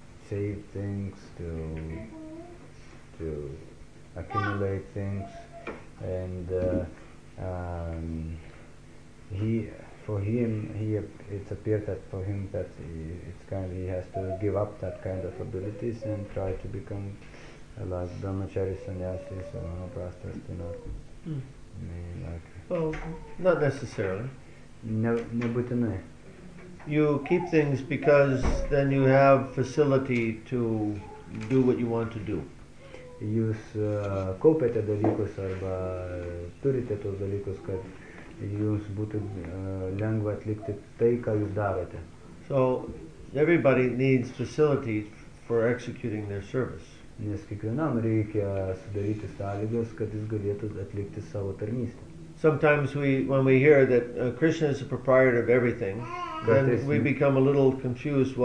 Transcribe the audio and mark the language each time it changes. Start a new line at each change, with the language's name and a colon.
English: save things, to accumulate things, and it appears that he has to give up that kind of abilities and try to become like brahmacharis, sannyasis, or anaprastas, to not like. Well, not necessarily.
Lithuanian: Nebūtinai.
English: You keep things because then you have facility to do what you want to do.
Lithuanian: Jūs kaupiate dalykus arba turite tos dalykus, kad jūs būtų lengva atlikti tai, ką jūs darote.
English: So, everybody needs facility for executing their service.
Lithuanian: Nes kiekvienam reikia sudaryti sąlygas, kad jis galėtų atlikti savo tarnystę.
English: Sometimes when we hear that Krishna is the proprietor of everything, then we become a little confused.